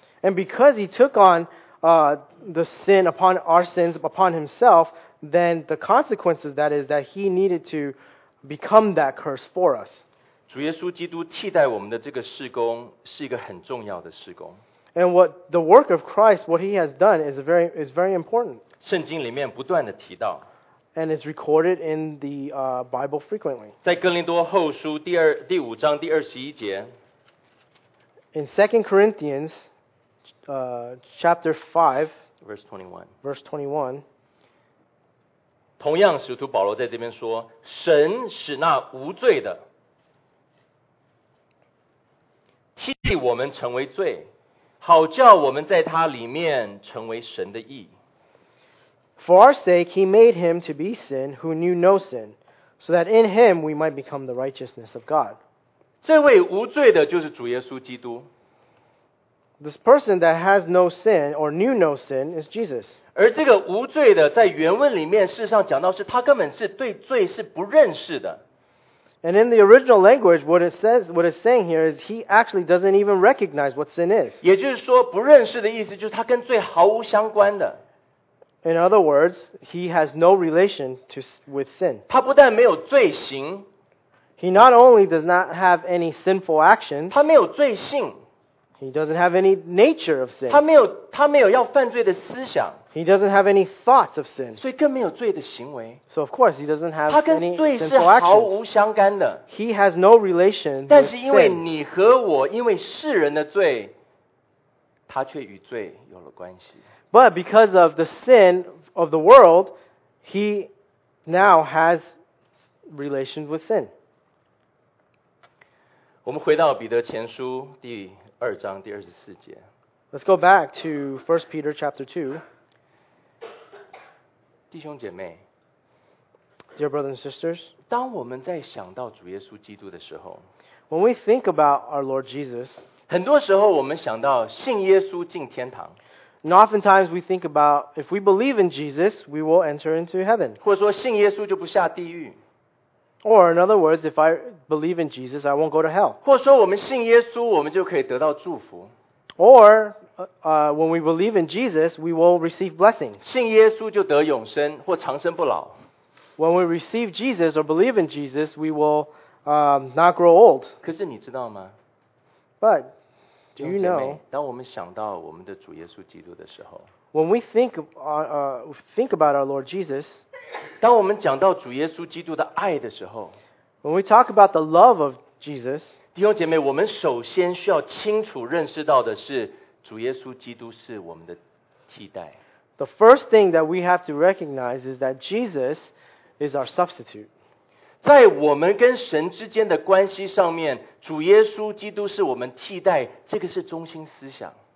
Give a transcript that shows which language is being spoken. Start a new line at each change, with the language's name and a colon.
English: And because he took on the sin upon our sins upon himself, then the consequences that is that he needed to become that curse for us.
Chinese: 主耶稣基督替代我们的这个事工是一个很重要的事工。
English: And what the work of Christ, what he has done is very important.
Chinese: 圣经里面不断的提到。
English: And it's recorded in the Bible frequently.
Chinese: 在哥林多后书第五章第二十一节。
English: In 2 Corinthians chapter 5, verse 21.
Chinese: 同样使徒保罗在这边说，神使那无罪的替我们成为罪，好叫我们在他里面成为神的义。
English: For our sake, he made him to be sin who knew no sin, so that in him we might become the righteousness of God.
Chinese: 这位无罪的就是主耶稣基督。
English: This person that has no sin or knew no sin is Jesus.
Chinese: 而这个无罪的在原文里面事实上讲到是他根本是对罪是不认识的。
English: And in the original language, what it says, what it's saying here is he actually doesn't even recognize what sin is.
Chinese: 也就是说不认识的意思就是他跟罪毫无相关的。
English: In other words, he has no relation with sin.
Chinese: 他不但没有罪行。
English: He not only does not have any sinful actions.
Chinese: 他没有罪性。
English: He doesn't have any nature of sin.
Chinese: 他没有要犯罪的思想。
English: He doesn't have any thoughts of sin.
Chinese: 所以更没有罪的行为。
English: So of course, he doesn't have any sinful actions.
Chinese: 他跟罪是毫无相干的。
English: He has no relation with sin.
Chinese: 但是因为你和我，因为世人的罪，他却与罪有了关系。
English: But because of the sin of the world, he now has relations with sin.
Chinese: 我们回到彼得前书第二章第二十四节。
English: Let's go back to 1 Peter chapter 2.
Chinese: 弟兄姐妹
English: ，Dear brothers and sisters,
Chinese: 当我们在想到主耶稣基督的时候
English: ，When we think about our Lord Jesus,
Chinese: 很多时候我们想到信耶稣进天堂。
English: And oftentimes we think about if we believe in Jesus, we will enter into heaven.
Chinese: 或者说信耶稣就不下地狱。
English: Or in other words, if I believe in Jesus, I won't go to hell.
Chinese: 或者说我们信耶稣，我们就可以得到祝福。
English: Or, when we believe in Jesus, we will receive blessing.
Chinese: 信耶稣就得永生或长生不老。
English: When we receive Jesus or believe in Jesus, we will not grow old.
Chinese: 可是你知道吗？
English: But, do you know?
Chinese: 当我们想到我们的主耶稣基督的时候，
English: When we think about our Lord Jesus,
Chinese: 当我们讲到主耶稣基督的爱的时候，
English: When we talk about the love of Jesus,
Chinese: 弟兄姐妹，我们首先需要清楚认识到的是主耶稣基督是我们的替代。
English: The first thing that we have to recognize is that Jesus is our substitute.
Chinese: 在我们跟神之间的关系上面，主耶稣基督是我们替代，这个是中心思想。